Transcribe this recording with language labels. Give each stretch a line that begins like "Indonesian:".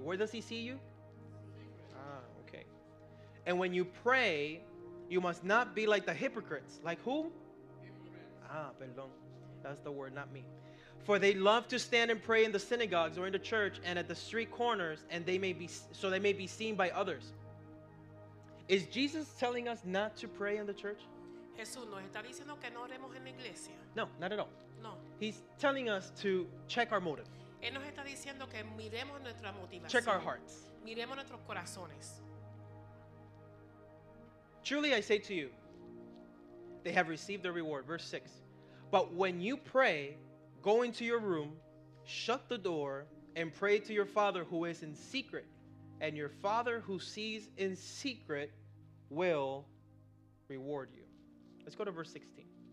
English: Where does he see you? Ah, okay. And when you pray, you must not be like the hypocrites. Like whom? Hypocrites.
Spanish: Ah, perdón.
English: That's the word, not me. For they love to stand and pray in the synagogues or in the church and at the street corners, and they may be so they may be seen by others. Is Jesus telling us not to pray in the church?
Spanish: Jesús nos está diciendo que no oremos en la iglesia.
English: No, not at all.
Spanish: No.
English: He's telling us to check our motive.
Spanish: Él nos está diciendo que miremos nuestra motivación.
English: Check our hearts.
Spanish: Miremos nuestros corazones.
English: Truly I say to you, they have received their reward. Verse 6. But when you pray, go into your room, shut the door, and pray to your Father who is in secret. And your Father who sees in secret will reward you. Let's go to verse 16.